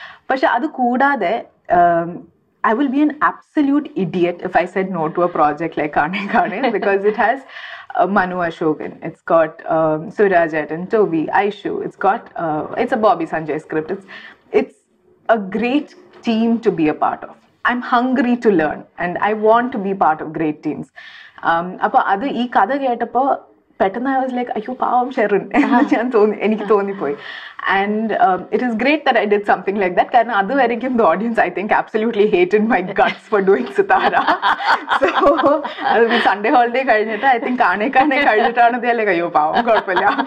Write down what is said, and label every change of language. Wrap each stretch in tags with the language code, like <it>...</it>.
<ml>പക്ഷെ അത് കൂടാതെ</ml> <en>I will be an absolute idiot if I said no to a project like കാണിക്കാണ്, because it has Manu Ashokan, it's got Suraj ഏട്ടൻ, Toby, Aishu, it's got it's a Bobby Sanjay script, it's a great team to be a part of. I'm hungry to learn and I want to be part of great teams.</en> <ml>അപ്പോൾ അത് ഈ കഥ കേട്ടപ്പോൾ പെട്ടെന്ന്</ml> <en>I was like</en> <ml>അയ്യോ പാവം ഷെറിൻ എന്ന് ഞാൻ തോന്നി എനിക്ക് തോന്നിപ്പോയി.</ml> <en>and it is great that I did something like that,</en> <ml>കാരണം അതുവരെയ്ക്കും</ml> <en>The audience I think absolutely hated my guts for doing Sithara.</en> <ml>So അത് സൺഡേ ഹോളിഡേ കഴിഞ്ഞിട്ട്</ml> <en>I think</en> <ml>കാണേ കഴിഞ്ഞിട്ടാണ് ഇതിലേക്ക് അയ്യോ പാവം കുഴപ്പമില്ല.</ml>